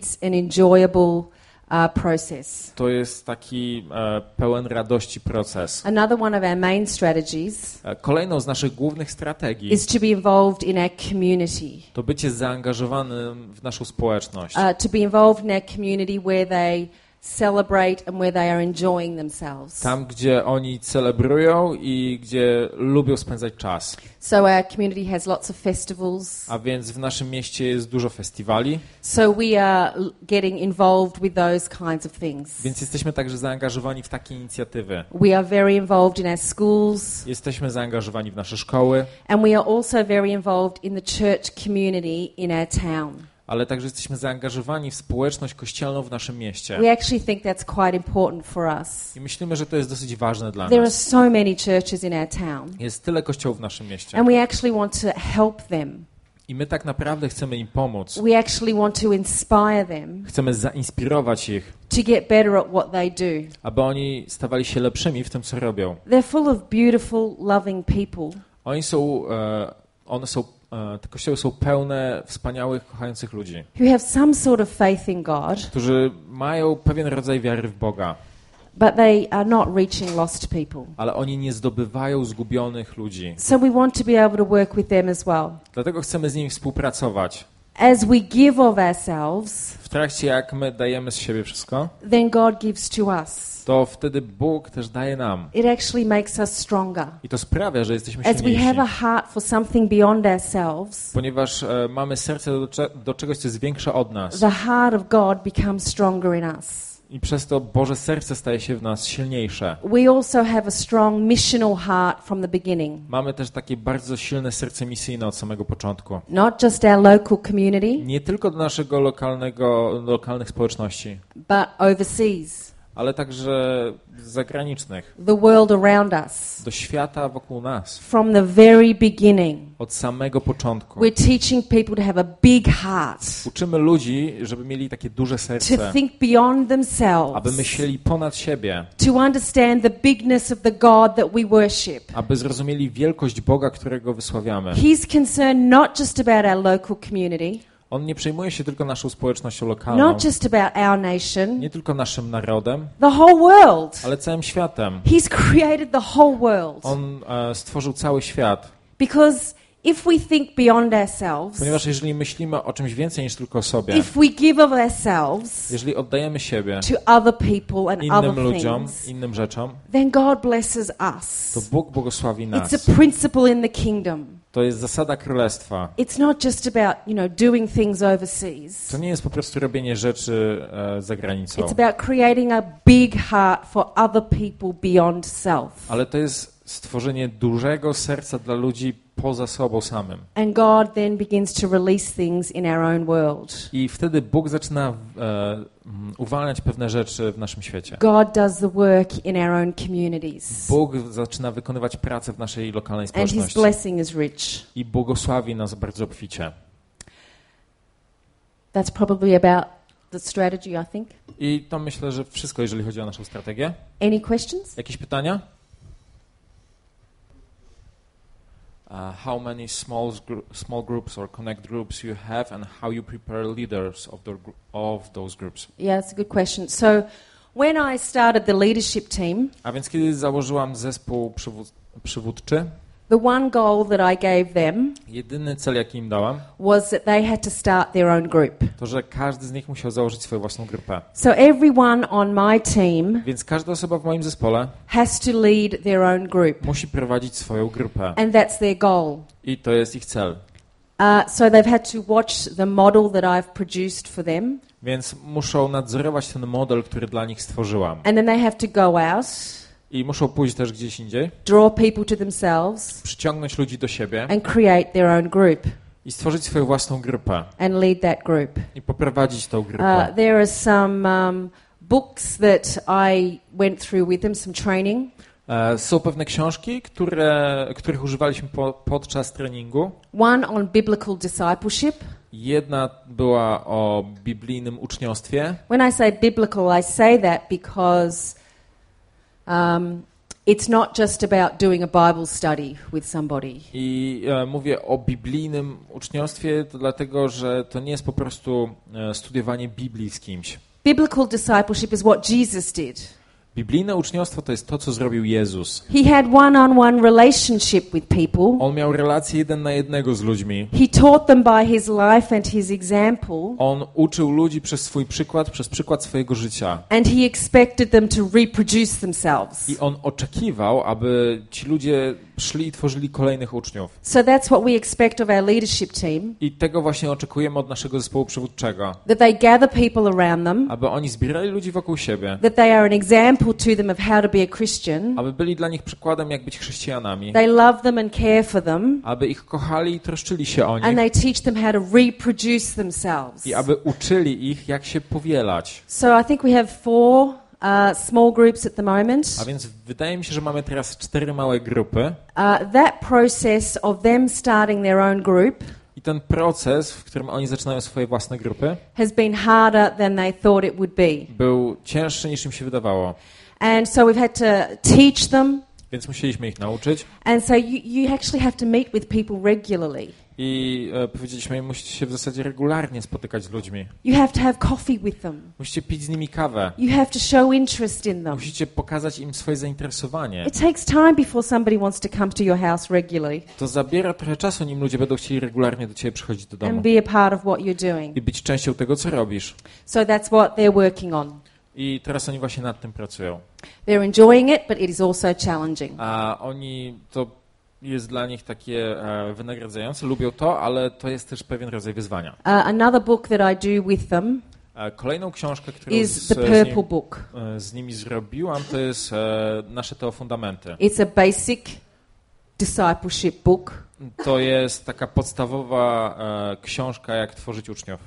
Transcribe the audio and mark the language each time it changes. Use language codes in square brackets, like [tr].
[en] It's an enjoyable process. [pl] To jest taki pełen radości proces. [en] Another one of our main strategies. [pl] Kolejną z naszych głównych strategii. [en] Is to be involved in our community. [pl] To bycie zaangażowanym w naszą społeczność. [en] To be involved in our community where they celebrate and where they are enjoying themselves. [pl] Tam, gdzie oni celebrują i gdzie lubią spędzać czas. [en] So our community has lots of festivals. [pl] A więc w naszym mieście jest dużo festiwali. [en] So we are getting involved with those kinds of things. [pl] Więc jesteśmy także zaangażowani w takie inicjatywy. [en] We are very involved in our schools. [pl] Jesteśmy zaangażowani w nasze szkoły. [en] And we are also very involved in the church community in our town. [pl] Ale także jesteśmy zaangażowani w społeczność kościelną w naszym mieście. [en] We actually think that's quite important for us. [pl] I myślimy, że to jest dosyć ważne dla [en] There [pl] nas. [en] Are so many churches in our town. [pl] Jest tyle kościołów w naszym mieście. [en] And we actually want to help them. [pl] I my tak naprawdę chcemy im pomóc. [en] We actually want to inspire them. [pl] Chcemy zainspirować ich. [en] To get better at what they do. [pl] Aby oni stawali się lepszymi w tym, co robią. [en] They're full of beautiful, loving people. [pl] Oni są, one są te kościoły są pełne wspaniałych, kochających ludzi. [en] Who have some sort of faith in God, [pl] którzy mają pewien rodzaj wiary w Boga. [en] But they are not reaching lost people. [pl] Ale oni nie zdobywają zgubionych ludzi. [en] So we want to be able to work with them as well. [pl] Dlatego chcemy z nimi współpracować. [en] As we give of ourselves, [pl] w trakcie jak my dajemy z siebie wszystko, [en] then God gives to us. [pl] To wtedy Bóg też daje nam. [en] It actually makes us stronger. [pl] I to sprawia, że jesteśmy silniejsi. [en] As we have a heart for something beyond ourselves, [pl] ponieważ mamy serce do czegoś, co jest większe od nas. [en] The heart of God becomes stronger in us. [pl] I przez to Boże serce staje się w nas silniejsze. [en] We also have a strong missional heart from the beginning. [pl] Mamy też takie bardzo silne serce misyjne od samego początku. [en] Not just our local community, [pl] nie tylko do naszego lokalnych społeczności, [en] but overseas. [pl] Ale także zagranicznych. [en] The world around us. [pl] Do świata wokół nas. [en] From the very beginning. [pl] Od samego początku. [en] We're teaching people to have a big heart. [pl] Uczymy ludzi, żeby mieli takie duże serce. [en] To think beyond themselves. [pl] Aby myśleli ponad siebie. [en] To understand the bigness of the God that we worship. [pl] Aby zrozumieli wielkość Boga, którego wysławiamy. [en] He's concerned not just about our local community. [pl] On nie przejmuje się tylko naszą społecznością lokalną. [en] Not just about our nation, [pl] nie tylko naszym narodem. [en] The whole world. [pl] Ale całym światem. [en] He's created the whole world. [pl] On stworzył cały świat. [en] Because if we think beyond ourselves, [pl] ponieważ jeżeli myślimy o czymś więcej niż tylko o sobie, [en] if we give of ourselves, [pl] jeżeli oddajemy siebie [en] to other people and [pl] innym [en] other [pl] ludziom, [en] things, [pl] innym rzeczom, [en] then God blesses us. [pl] To Bóg błogosławi nas. [en] It's a principle in the kingdom. [pl] To jest zasada królestwa. [en] It's not just about, you know, doing things overseas. [pl] To nie jest po prostu robienie rzeczy za granicą. [en] It's about creating a big heart for other people beyond self. [pl] Ale to jest stworzenie dużego serca dla ludzi poza sobą samym. [en] And God then begins to release things in our own world. [pl] I wtedy Bóg zaczyna uwalniać pewne rzeczy w naszym świecie. [en] God does the work in our own communities. [pl] Bóg zaczyna wykonywać pracę w naszej lokalnej społeczności. [en] And his blessing is rich. [pl] I błogosławi nas bardzo obficie. [en] That's probably about the strategy, I think. [pl] I to myślę, że wszystko, jeżeli chodzi o naszą strategię. [en] Any questions? [pl] Jakieś pytania? [en] how many small groups or connect groups you have, and how you prepare leaders of those groups. Yeah, that's a good question. So, when I started the leadership team, [pl] a więc kiedy założyłam zespół przywódczy, [en] the one goal that I gave them, [pl] jedyny cel, jaki im dałam, [en] was that they had to start their own group. [pl] To, że każdy z nich musiał założyć swoją własną grupę. [en] So everyone on my team, [pl] więc każda osoba w moim zespole, [en] has to lead their own group. [pl] Musi prowadzić swoją grupę. [en] And that's their goal. [pl] I to jest ich cel. [en] So they've had to watch the model that I've produced for them. [pl] Więc muszą nadzorować ten model, który dla nich stworzyłam. [en] And then they have to go out. [pl] I muszą pójść też gdzieś indziej. [en] Draw people to themselves. [pl] Przyciągnąć ludzi do siebie. [en] And create their own group. [pl] I stworzyć swoją własną grupę. [en] And lead that group. [pl] I poprowadzić tą grupę. [en] There are some books that I went through with them, some training. [pl] Są pewne książki, których używaliśmy podczas treningu. [en] One on biblical discipleship. [pl] Jedna była o biblijnym uczniostwie. [en] When I say biblical, I say that because it's not just about doing a Bible study with somebody. [pl] Mówię o biblijnym uczniostwie, dlatego że to nie jest po prostu studiowanie Biblii z kimś. [en] Biblical discipleship is what Jesus did. [pl] Biblijne uczniostwo to jest to, co zrobił Jezus. [en] He had one-on-one relationship with people. [pl] On miał relację jeden na jednego z ludźmi. [en] He taught them by his life and his example. [pl] On uczył ludzi przez swój przykład, przez przykład swojego życia. [en] And he expected them to reproduce themselves. [pl] I on oczekiwał, aby ci ludzie szli i tworzyli kolejnych uczniów. [en] So that's what we expect of our leadership team. [pl] I tego właśnie oczekujemy od naszego zespołu przywódczego. [en] That they gather people around them. [pl] Aby oni zbierali ludzi wokół siebie. [en] That they are an example to them of how to be a Christian. [pl] Aby byli dla nich przykładem, jak być chrześcijanami. [en] They love them and care for them. [pl] Aby ich kochali i troszczyli się o nich. [en] And they teach them how to reproduce themselves. [pl] I aby uczyli ich, jak się powielać. [en] So I think we have four small groups at the moment. [pl] A więc wydaje mi się, że mamy teraz cztery małe grupy. [en] That process of them starting their own group. [pl] I ten proces, w którym oni zaczynają swoje własne grupy. [en] Has been harder than they thought it would be. [pl] Był cięższy, niż im się wydawało. [en] And so we've had to teach them. [pl] Więc musieliśmy ich nauczyć. [en] And so you actually have to meet with people regularly. [pl] I powiedzieliśmy, musicie się w zasadzie regularnie spotykać z ludźmi. [en] You have to have coffee with them. [pl] Musicie pić z nimi kawę. [en] You have to show interest in them. [pl] Musicie pokazać im swoje zainteresowanie. [en] It takes time before somebody wants to come to your house regularly. [pl] To zabiera trochę czasu, nim ludzie będą chcieli regularnie do ciebie przychodzić do domu. [en] And be a part of what you're doing. [pl] I być częścią tego, co robisz. [en] So that's what they're working on. [pl] I teraz oni właśnie nad tym pracują. [en] They're enjoying it, but it is also challenging. [pl] A oni to jest dla nich takie wynagradzające, lubią to, ale to jest też pewien rodzaj wyzwania. [en] Another book that I do with them. [pl] Kolejną książkę, którą [en] is the purple book. [pl] Z nimi zrobiłam, to jest nasze to fundamenty. [en] It's a basic discipleship book. [pl] To jest taka podstawowa książka, jak tworzyć uczniów.